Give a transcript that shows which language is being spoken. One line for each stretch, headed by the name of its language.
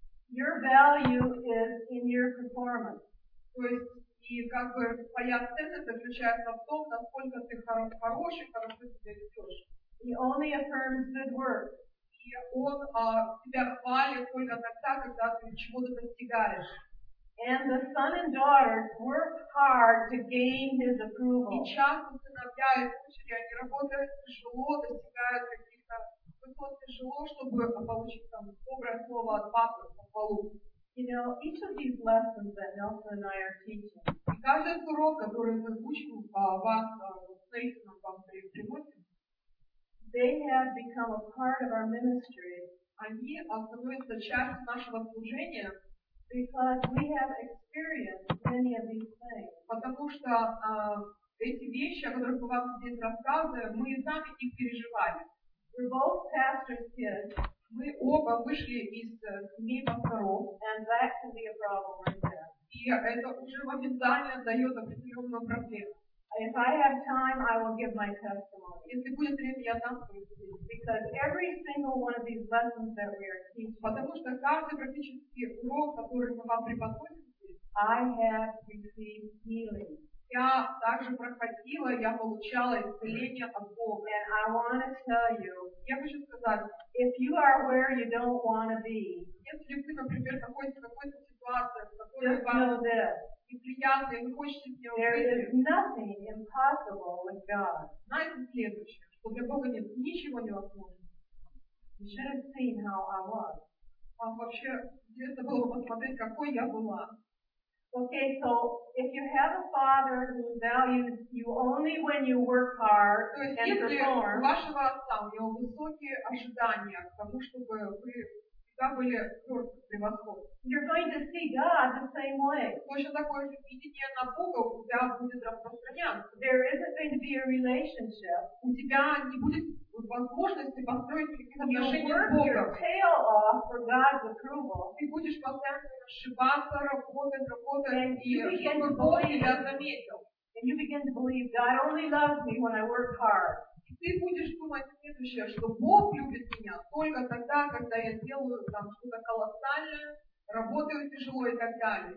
English: Your value is in your performance.
Russian: То есть, и как бы твоя ценность заключается в том, насколько ты хороший, хорошо себя ведешь.
English: He only affirms good work.
Russian: И он тебя хвалит только тогда, когда ты чего-то достигаешь.
English: And the son and daughter work hard to gain his approval.
Russian: И часто сыновья и дочери, они работают тяжело, достигают каких-то высот тяжело, чтобы получить там доброе слово от папы, похвалу.
English: You know, each of these lessons that Nelson and I are teaching.
Russian: И каждый урок, который мы учим с Нейтаном вам приводим.
English: They have become a part of our ministry.
Russian: Они становятся частью нашего служения.
English: Because we have experienced many of these things.
Russian: Потому что эти вещи, о которых мы вам здесь рассказываем, мы и сами их переживали.
English: We're both pastors' kids.
Russian: Мы оба вышли из семей пасторов.
English: And that can be a problem right there.
Russian: И это уже моментально дает определенную проблему.
English: If I have time, I will give my testimony.
Russian: Если будет время, я дам свое свидетельство.
English: Because every single one of these lessons that we are teaching.
Russian: Потому что каждый практический урок, который мы вам преподносим,
English: I have received healing.
Russian: Я также проходила, я получала исцеление от Бога.
English: And I want to tell you.
Russian: Я хочу сказать.
English: If you are where you don't want to be.
Russian: Если вы, например, в какой-то ситуации, в которой вам неприятно, и вы хотите сделать
English: это. There is nothing impossible with God.
Russian: Знаете следующее, что для Бога нет ничего невозможного.
English: You should have seen how I was.
Russian: Вам вообще интересно было посмотреть, какой я была.
English: Okay, so if you have a father who values you only when you work hard and perform.
Russian: То есть если у вашего отца у него высокие ожидания к тому, чтобы вы всегда были просто превосходны.
English: You're going to see God the same way.
Russian: Точно такое же видение на Бога у тебя будет распространяться.
English: There isn't going to be a relationship.
Russian: У тебя не будет возможности построить какие-то отношения с Богом.
English: You'll work your tail off for God's approval.
Russian: Ты будешь постоянно ошибаться, работать, и ты будешь думать следующее, что Бог любит меня только тогда, когда я делаю там что-то колоссальное, работаю тяжело и так далее.